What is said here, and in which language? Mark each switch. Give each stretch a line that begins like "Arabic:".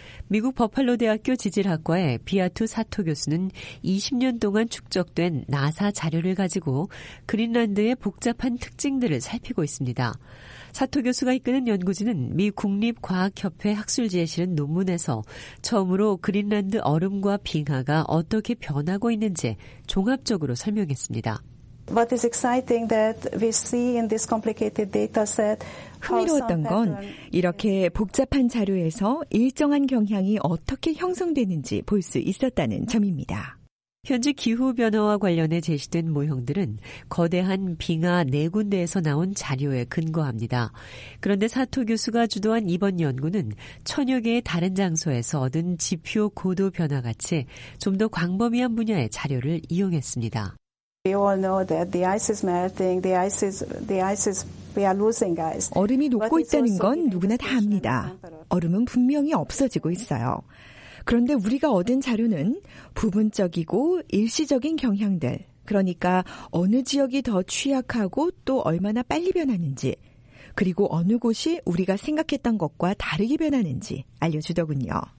Korean: 미국 버팔로 대학교 지질학과의 비아투 사토 교수는 20년 동안 축적된 나사 자료를 가지고 그린란드의 복잡한 특징들을 살피고 있습니다. 사토 교수가 이끄는 연구진은 미 국립과학협회 학술지에 실은 논문에서 처음으로 그린란드 얼음과 빙하가 어떻게 변하고 있는지 종합적으로 설명했습니다.
English: What is exciting that we see in this complicated data set?
Korean: 흥미로웠던 건 이렇게 복잡한 자료에서 일정한 경향이 어떻게 형성되는지 볼 수 있었다는 점입니다. 현재 기후변화와 관련해 제시된 모형들은 거대한 빙하 네 군데에서 나온 자료에 근거합니다. 그런데 사토 교수가 주도한 이번 연구는 천여 개의 다른 장소에서 얻은 지표 고도 변화 같이 좀 더 광범위한 분야의 자료를 이용했습니다.
English: We all know that the ice is melting, the ice is, we are losing ice.
Korean: 얼음이 녹고 있다는 건 누구나 다 압니다. 얼음은 분명히 없어지고 있어요. 그런데 우리가 얻은 자료는 부분적이고 일시적인 경향들, 그러니까 어느 지역이 더 취약하고 또 얼마나 빨리 변하는지, 그리고 어느 곳이 우리가 생각했던 것과 다르게 변하는지 알려주더군요.